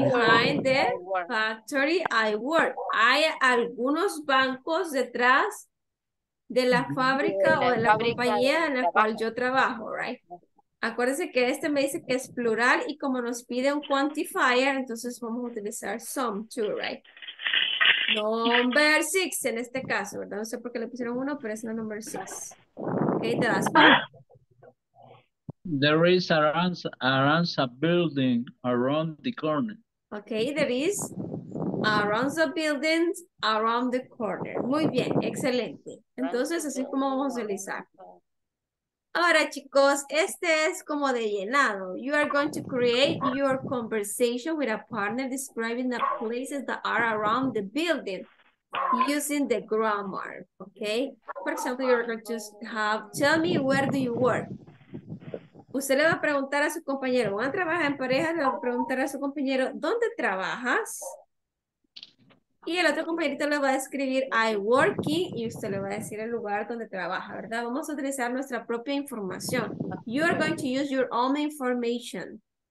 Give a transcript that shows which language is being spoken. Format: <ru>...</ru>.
<en>There are some banks behind the factory I work.</en> <es>Hay algunos bancos detrás de la fábrica o de la compañía en la cual yo trabajo, right? Acuérdense que este me dice que es plural y como nos pide un quantifier, entonces vamos a utilizar some too, right?</es> <en>Number six,</en> <es>en este caso, ¿verdad? No sé por qué le pusieron uno, pero es la</es> <en>number six.</en> <es>Ok, te das.</es> <en>There is a building around the corner. Ok, there is around the building around the corner.</en> <es>Muy bien, excelente. Entonces, así como vamos a utilizar. Ahora, chicos, este es como de llenado.</es> <en>You are going to create your conversation with a partner describing the places that are around the building using the grammar, okay? For example, you're going to have, tell me where do you work?</en> <es>Usted le va a preguntar a su compañero, ¿van a trabajar en pareja? Le va a preguntar a su compañero, ¿dónde trabajas? Y el otro compañerito le va a escribir,</es> <en>I work in,</en> <es>y usted le va a decir el lugar donde trabaja, ¿verdad? Vamos a utilizar nuestra propia información.</es> <en>You are going to use your own information.</en>